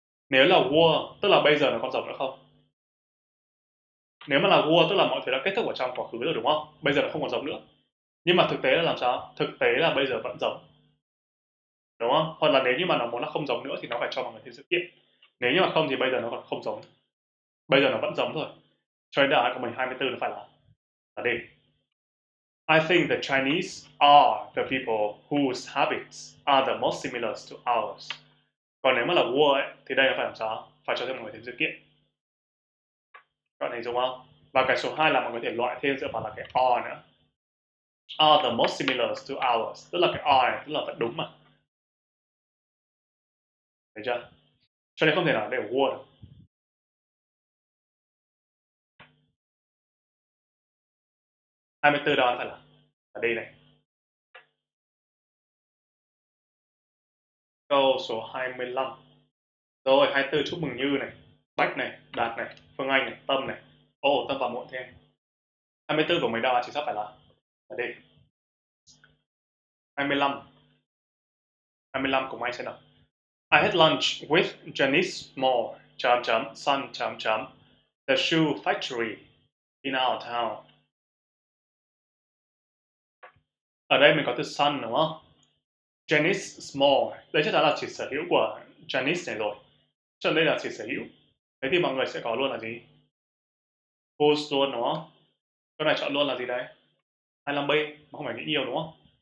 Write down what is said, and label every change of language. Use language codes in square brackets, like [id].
[vi] Nếu là were, tức là bây giờ nó còn rộng nữa không? Nếu mà là were, tức là mọi thứ đã kết thúc ở trong quá khứ rồi đúng không? Bây giờ nó không còn rộng nữa. Nhưng mà thực tế là làm sao? Thực tế là bây giờ vẫn rộng. Đúng không? Hoặc là nếu như mà nó muốn là không rộng nữa thì nó phải cho mọi người thêm sự kiện. Nếu như mà không thì bây giờ nó còn không rộng. Bây giờ nó vẫn rộng thôi. Cho nên đáp án của mình 24 nó phải là đi. [en] I think the Chinese are the people whose habits are the most similar to ours. [vi] Còn nếu mà là war ấy, thì đây là phải làm sao? Phải cho thêm mọi người thêm sự kiện. Các bạn hình dung không? Và cái số 2 là mọi người có thể loại thêm dựa vào là cái are nữa. [en] Are the most similar to ours. [vi] Tức là cái are này, tức là vẫn đúng mà. Thấy chưa? Cho nên không thể nào để war được. Hai mươi bốn đó phải là đây này. Câu số 25. Rồi 24 chúc mừng Như này, Bách này, Đạt này, Phương Anh này, Tâm này. Ồ, Tâm vào muộn thế. 24 của mấy đáp án chính xác phải là đây. 25. 25 của mày xem nào. [en] I had lunch with Janice Moore, [vi] chấm chấm, [en] son, chấm chấm, the shoe factory in our town. [vi] Ở đây mình có từ son đúng không? Janice Small. Đây chắc chắn là chỉ sở hữu của Janice này rồi. Cho nên đây là chỉ sở hữu. Thế thì mọi người sẽ có luôn là gì? Whose luôn đúng không? Câu này chọn luôn là gì đây? 25B. Mà không phải nghĩ nhiều đúng không?